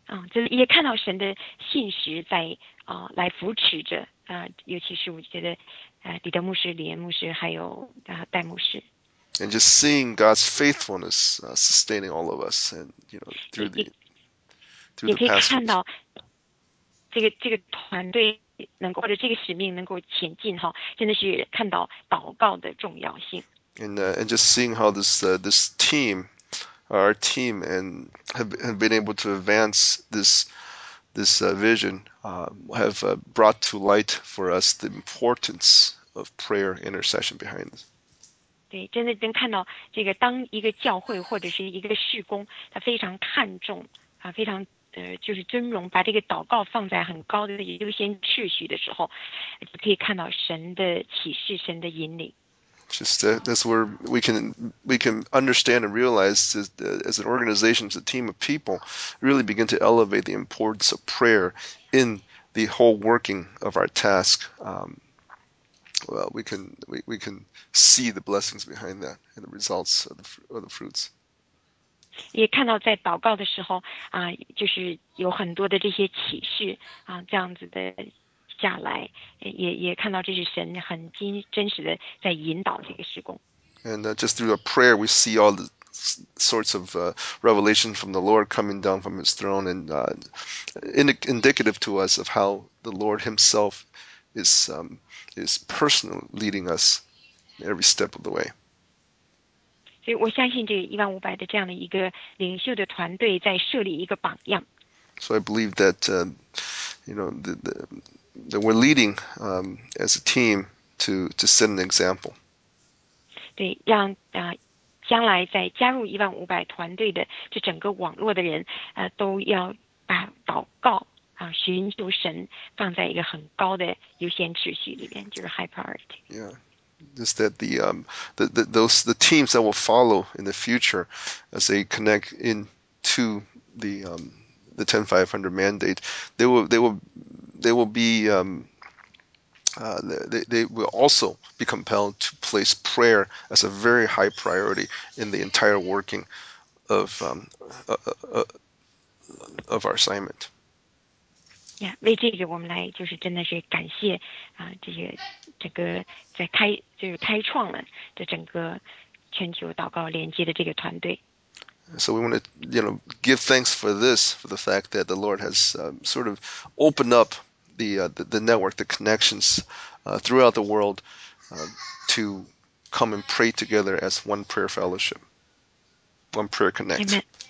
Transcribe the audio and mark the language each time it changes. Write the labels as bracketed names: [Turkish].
[Chinese] 就是也看到神的信实在来扶持着尤其是我觉得李德牧师、李岩牧师还有戴牧师， [English] And just seeing God's faithfulness sustaining all of us and through [Chinese] 也可以看 [English] passages. [Chinese] 到这个团队。能够或者这个使命能够前进哈，真的是看到祷告的重要性。 [English] And just seeing how this team Our team and have been able to advance this vision have brought to light for us the importance of prayer intercession behind this. [Chinese] 对，真的能看到这个，当一个教会或者是一个事工，他非常看重非常。就是尊荣，把这个祷告放在很高的优先秩序的时候，就可以看到神的启示，神的引领。 [English] Just that's where we can understand and realize as an organization, as a team of people, really begin to elevate the importance of prayer in the whole working of our task. Well, we can see the blessings behind that and the results of the fruits. [Chinese] 也看到在祷告的时候就是有很多的这些启示这样子的下来，也看到这是神很真实的在引导这个事工。 [English] And just through a prayer, we see all the sorts of revelation from the Lord coming down from His throne, and indicative to us of how the Lord Himself is personally leading us every step of the way. [Chinese] 所以我相信这个1500的这样的一个领袖的团队在设立一个榜样。 [English] So I believe that that we're leading as a team to set an example. [Chinese] 对，让将来在加入1500团队的这整个网络的人都要把祷告寻求神放在一个很高的优先秩序里边，就是 [English] high priority。 Yeah, just that the teams that will follow in the future as they connect into the 10,500 mandate, they will be they will also be compelled to place prayer as a very high priority in the entire working of our assignment. [Chinese] Yeah, 为这个我们来就是真的是感谢啊，这个整个在开就是开创了这整个全球祷告连接的这个团队。 [English] So we want to, you know, give thanks for this, for the fact that the Lord has sort of opened up the network, the connections throughout the world to come and pray together as one prayer fellowship, one prayer connect.